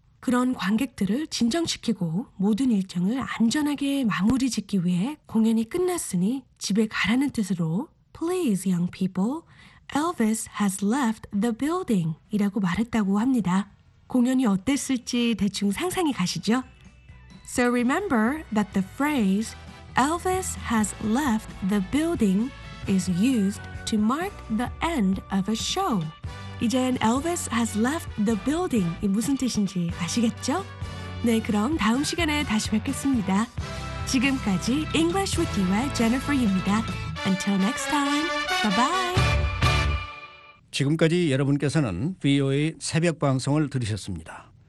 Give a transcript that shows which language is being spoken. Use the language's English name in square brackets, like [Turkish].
[Korean] 그런 관객들을 진정시키고 모든 일정을 안전하게 마무리 짓기 위해 공연이 끝났으니 집에 가라는 뜻으로 [English] Please, young people, Elvis has left the building [Korean] 이라고 말했다고 합니다. 공연이 어땠을지 대충 상상이 가시죠? [English] So remember that the phrase Elvis has left the building is used to mark the end of a show. [Korean] 이젠 [English] Elvis has left the building [Korean] 이 무슨 뜻인지 아시겠죠? 네, 그럼 다음 시간에 다시 뵙겠습니다. 지금까지 English with You의 Jennifer입니다. [English] Until next time, bye-bye. [Korean] 지금까지 여러분께서는 VOA 새벽 방송을 들으셨습니다.